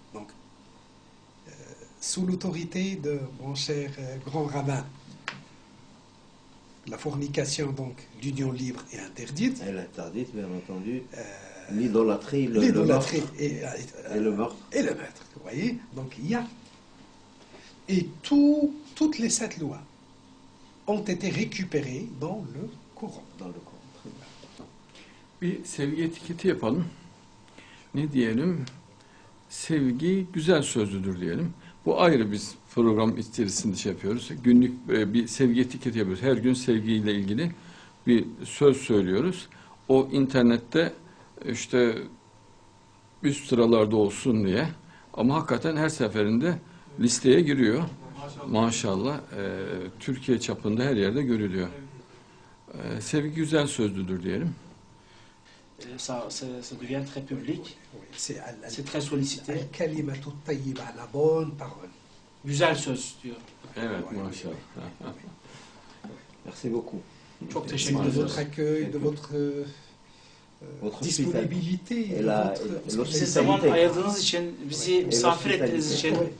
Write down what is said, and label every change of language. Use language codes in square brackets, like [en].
[fr] Donc, sous l'autorité de mon cher grand rabbin, la fornication, donc, l'union libre est interdite. Elle est interdite, bien entendu. L'idolâtrie, l'idolâtrie et le meurtre. Et le meurtre, vous voyez. Donc il y a. Et toutes les 7 lois ont été récupérées dans le Coran. Dans le Coran. Très bien. [tr] Bir sevgi etiketi yapalım. Ne diyelim? Sevgi güzel sözlüdür diyelim. Bu ayrı, biz program içerisinde şey yapıyoruz. Günlük bir sevgi etiketi yapıyoruz. Her gün sevgiyle ilgili bir söz söylüyoruz. O internette işte üst sıralarda olsun diye. Ama hakikaten her seferinde listeye giriyor. Maşallah. Türkiye çapında her yerde görülüyor. Sevgi güzel sözlüdür diyelim. [fr] Ça devient très public. C'est très sollicité. [ar] Kalima tayyiba, [fr] la bonne parole. [tr] Güzel söz diyor. Evet, maşallah. [fr] Merci beaucoup. [tr] Çok teşekkür ederim. [fr] Votre accueil, de votre disponibilité. [tr] Zaman ayırdığınız için, bizi misafir ettiğiniz için.